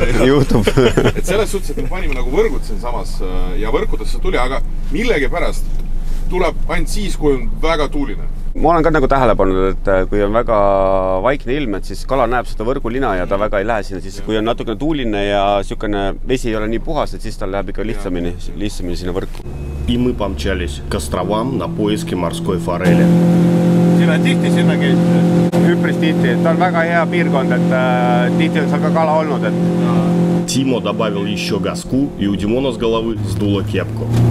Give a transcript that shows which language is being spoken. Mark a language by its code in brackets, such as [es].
[et] Et selles suhtes, et me panime nagu võrgud siin samas ja võrkudesse tuli, aga millegi pärast tuleb ainult siis, kui on väga tuuline. Ma olen ka nagu tähele pannud, et kui on väga vaikne ilm, et siis kala näeb seda võrgulina ja ta väga ei lähe sinna. Siis kui on natuke tuuline ja siukene vesi ei ole nii puhas, et siis ta läheb ikka lihtsamini sinna võrku. [ru] И мы помчались к островам на поиски морской форели. [et] Siin on tihti sinna käinud. Üpris tihti. Ta on väga hea piirkond, et tihti on seal ka kala olnud. Et... [ru] Timo добавил еще газку и у Димона с головы сдуло кепку.